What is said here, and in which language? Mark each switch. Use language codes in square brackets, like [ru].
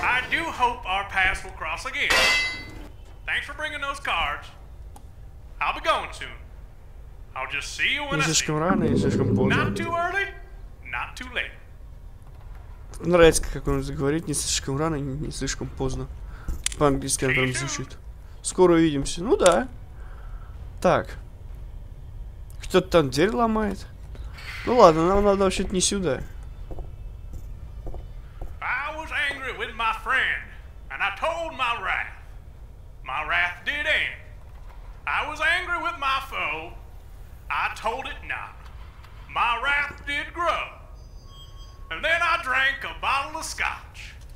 [en] do hope our paths will cross again. Thanks for bringing those cards. I'll be going soon. I'll just see you when I [ru] рано, [en] see. Not too early, not too late. [ru] Нравится, как он говорит, не слишком рано, не слишком поздно. По-английски он прям звучит. Скоро увидимся. Ну да. Так. Кто-то там дверь ломает. Ну ладно, нам надо вообще-то не сюда. [en] I was angry with my friend, and I told my wrath. My wrath did end. I was angry with my foe. I told it not. My wrath did grow. And then I drank a bottle of scotch.